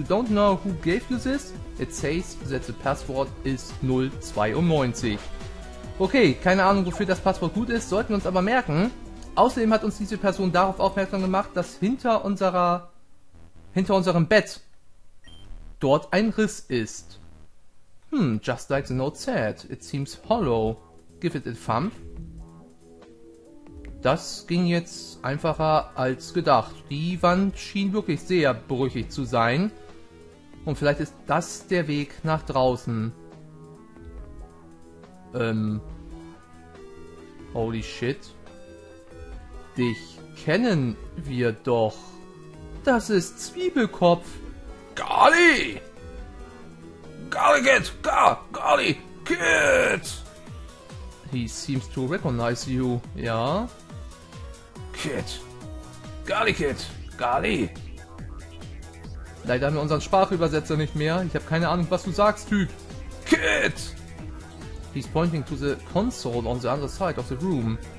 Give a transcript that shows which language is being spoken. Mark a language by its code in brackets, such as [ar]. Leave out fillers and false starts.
[en] You don't know who gave you this? It says that the password is 092. [de] Okay, keine Ahnung, wofür das Passwort gut ist, sollten wir uns aber merken. Außerdem hat uns diese Person darauf aufmerksam gemacht, dass hinter unserem Bett dort ein Riss ist. [en] Just like the note said, it seems hollow. Give it a thump. [de] Das ging jetzt einfacher als gedacht. Die Wand schien wirklich sehr brüchig zu sein. Und vielleicht ist das der Weg nach draußen. [en] Holy shit. [de] Dich kennen wir doch. Das ist Zwiebelkopf. [en] Golly! Golly, kid! Golly, kid! He seems to recognize you, ja? Kid! Golly, kid! Golly! [de] Leider haben wir unseren Sprachübersetzer nicht mehr. Ich habe keine Ahnung, was du sagst, Typ. [en] Kid! He's pointing to the console on the other side of the room.